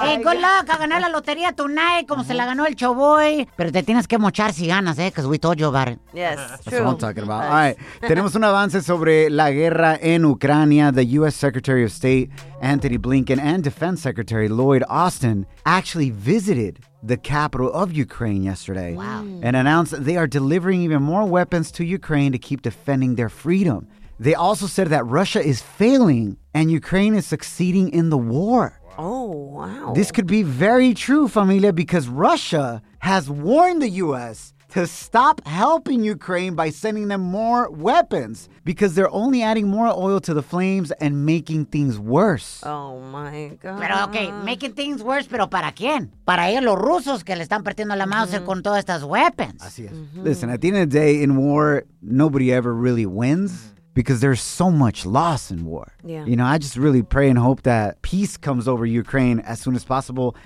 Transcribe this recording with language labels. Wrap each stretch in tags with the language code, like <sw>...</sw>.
<en>hey, good luck</en> <es>a ganar la lotería</es> <en>tonight,</en> <es>como se la ganó el Choboy. Pero te tienes que mochar si ganas,</es> <en>because we told you about it. Yes, that's true. That's what I'm talking about. All right,</en> <es>tenemos un avance sobre la guerra en Ucrania.</es> <en>The U.S. Secretary of State, Antony Blinken, and Defense Secretary Lloyd Austin actually visited the capital of Ukraine yesterday. Wow. And announced they are delivering even more weapons to Ukraine to keep defending their freedom. They also said that Russia is failing and Ukraine is succeeding in the war. Oh, wow. This could be very true, familia, because Russia has warned the U.S. to stop helping Ukraine by sending them more weapons because they're only adding more oil to the flames and making things worse. Oh, my God.</en> <es>Pero,</es> <en>okay, making things worse,</en> <es>pero ¿para quién? Para ellos los rusos que le están partiendo la mouse con todas estas weapons. Así es. Mm-hmm.</es> <en>Listen, at the end of the day, in war, nobody ever really wins. Because there's so much loss in war. Yeah. You know, I just really pray and hope that peace comes over Ukraine as soon as possible.</en>